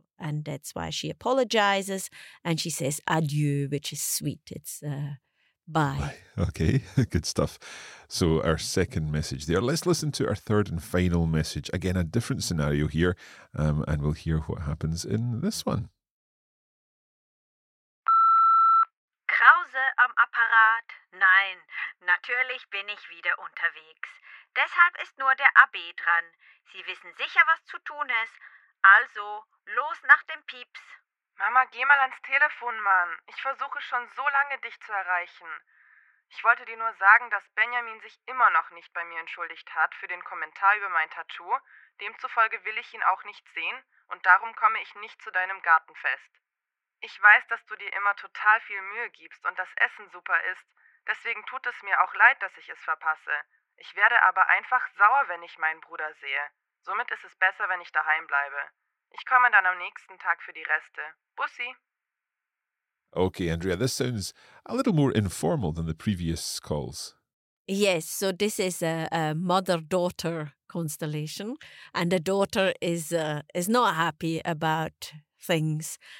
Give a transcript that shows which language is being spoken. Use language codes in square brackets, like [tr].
[en] And that's why she apologizes and she says adieu, which is sweet. It's bye. Okay, good stuff. So our second message there. Let's listen to our third and final message. Again, a different scenario here. And we'll hear what happens in this one. [de] Krause am Apparat. Nein, natürlich bin ich wieder unterwegs. Deshalb ist nur der AB dran. Sie wissen sicher, was zu tun ist. Also, los nach dem Pieps. Mama, geh mal ans Telefon, Mann. Ich versuche schon so lange, dich zu erreichen. Ich wollte dir nur sagen, dass Benjamin sich immer noch nicht bei mir entschuldigt hat für den Kommentar über mein Tattoo. Demzufolge will ich ihn auch nicht sehen und darum komme ich nicht zu deinem Gartenfest. Ich weiß, dass du dir immer total viel Mühe gibst und das Essen super ist. Deswegen tut es mir auch leid, dass ich es verpasse. Ich werde aber einfach sauer, wenn ich meinen Bruder sehe. Somit ist es besser, wenn ich daheim bleibe. Ich komme dann am nächsten Tag für die Reste. Bussi. [en] Okay, Andrea, this sounds a little more informal than the previous calls. Yes, so this is a mother-daughter constellation, and the daughter is not happy about things.